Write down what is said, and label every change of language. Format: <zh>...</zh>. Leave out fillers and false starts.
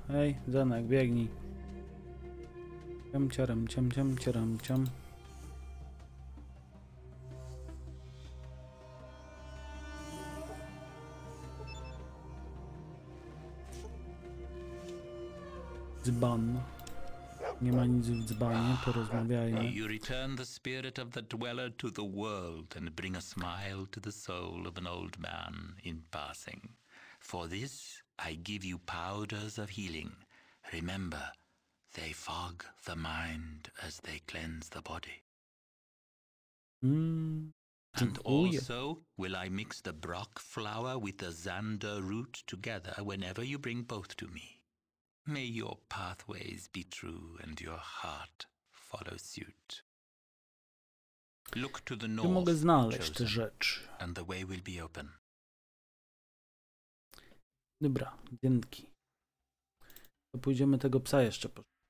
<pl>Ej, Zanek, biegnij. Ciam ciaram, ciam ciam ciaram ciam. Dzban. Nie ma nic w dzbanie, porozmawiajmy.</pl> <en>You return the spirit of the dweller to the world and bring a smile to the soul of an old man in passing. For this I give you powders of healing. Remember, they fog the mind as they cleanse the body. And also will I mix the brock flower with the zander root together whenever you bring both to me. May your pathways be true and your heart follow suit. Look to the north,</en> <pl>mogę znaleźć tę rzecz.</pl> <en>And the way will be open.</en> <pl>Dobra, dzięki. To pójdziemy tego psa jeszcze po.</pl>